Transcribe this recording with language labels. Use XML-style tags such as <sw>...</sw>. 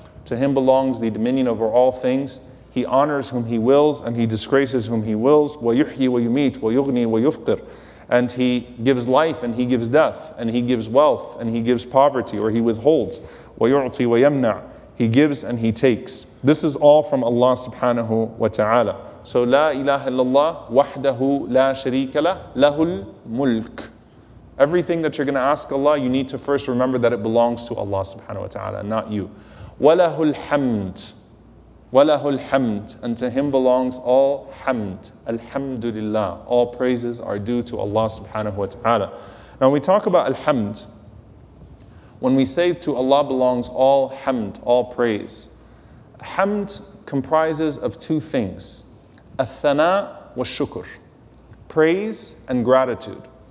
<en>To Him belongs the dominion over all things. He honors whom He wills and He disgraces whom He wills.</en> <ar>وَيُحْيِي وَيُمِيتُ وَيُغْنِي وَيُفْقِرُ.</ar> <en>And He gives life and He gives death, and He gives wealth and He gives poverty, or He withholds.</en> <ar>وَيُعْطِي وَيَمْنَعُ.</ar> <en>He gives and He takes. This is all from Allah subhanahu wa ta'ala. So</en> <ar>لا إله إلا الله وحده لا شريك له له الملك.</ar> <en>Everything that you're going to ask Allah, you need to first remember that it belongs to Allah subhanahu wa ta'ala, not you.</en> <ar>وَلَهُ الْحَمْدُ. وَلَهُ الْحَمْدُ.</ar> <en>And to Him belongs all hamd, alhamdulillah. All praises are due to Allah subhanahu wa ta'ala. Now when we talk about alhamd, when we say to Allah belongs all hamd, all praise, hamd comprises of two things, athana wa shukr, praise and gratitude.</en>